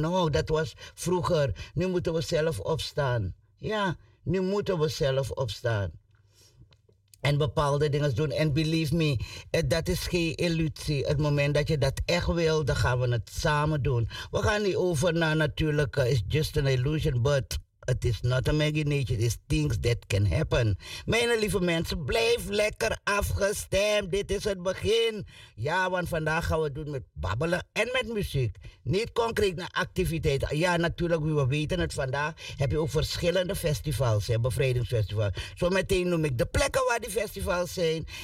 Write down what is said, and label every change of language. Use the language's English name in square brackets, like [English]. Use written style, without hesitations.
[Dutch] Nou, dat was vroeger. Nu moeten we zelf opstaan. Ja, nu moeten we zelf opstaan. En bepaalde dingen doen. En [English] believe me, [Dutch] dat is geen illusie. Het moment dat je dat echt wil, dan gaan we het samen doen. We gaan niet over naar natuurlijk, [English] it's just an illusion, but... [Dutch] Het is [English] not imagination, it is things that can happen. [Dutch] Mijn lieve mensen, blijf lekker afgestemd. Dit is het begin. Ja, want vandaag gaan we het doen met babbelen en met muziek. Niet concreet naar activiteiten. Ja, natuurlijk, we weten het vandaag. Heb je ook verschillende festivals, hè, bevrijdingsfestivals. Zometeen noem ik de plekken waar die festivals zijn.